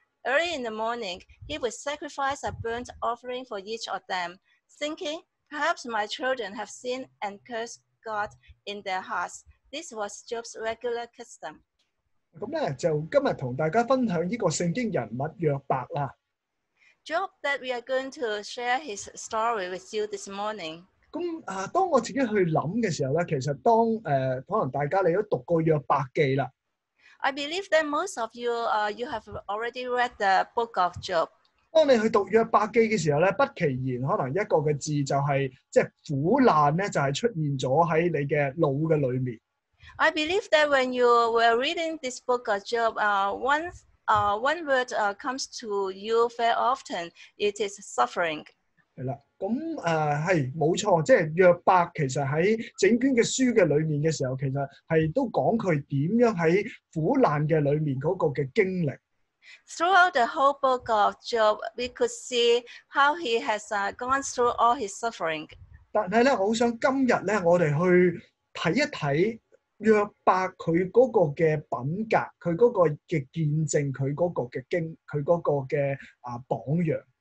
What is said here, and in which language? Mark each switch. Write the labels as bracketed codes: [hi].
[en] Early in the morning, he would sacrifice a burnt offering for each of them, thinking, perhaps my children have sinned and cursed God in their hearts. This was Job's regular custom. [yue] 咁咧，就今日同大家分享呢个圣经人物约伯啦。 [en] Job, that we are going to share his story with you this morning. [yue] 咁啊，當我自己去諗嘅時候咧，其實當可能大家你都讀過約伯記啦。 [en] I believe that most of you, you have already read the book of Job. [yue] 當你去讀約伯記嘅時候咧，不其然，可能一個嘅字就係、是、即係苦難咧，就係、是、出現咗喺你嘅腦嘅裏面。 [en] I believe that when you were reading this book of Job, one word comes to you very often. It is suffering. [yue] 系啦，咁系冇错，即系约伯其实喺整卷嘅书嘅里面嘅时候，其实系都讲佢点样喺苦难嘅里面嗰个嘅经历。 [en] Throughout the whole book of Job, we could see how he has gone through all his suffering. [yue] 但系咧，我好想今日咧，我哋去睇一睇约伯佢嗰个嘅品格，佢嗰个嘅见证，佢嗰个嘅经，佢嗰个嘅榜样。